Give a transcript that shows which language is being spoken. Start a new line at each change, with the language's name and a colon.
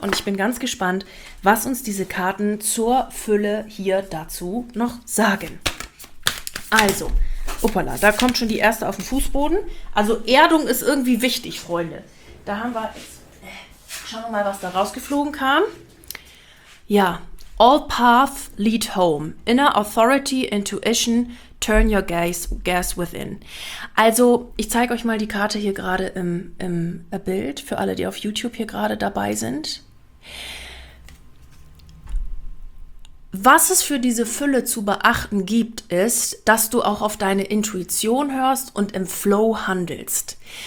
German: Und ich bin ganz gespannt, was uns diese Karten zur Fülle hier dazu noch sagen. Also, uppala, da kommt schon die erste auf den Fußboden. Also Erdung ist irgendwie wichtig, Freunde. Da haben wir, schauen wir mal, was da rausgeflogen kam. Ja,
English: all paths lead home, inner authority, intuition, turn your gaze within.
German: Also, ich zeige euch mal die Karte hier gerade im Bild für alle, die auf YouTube hier gerade dabei sind. Was es für diese Fülle zu beachten gibt, ist, dass du auch auf deine Intuition hörst und im Flow handelst.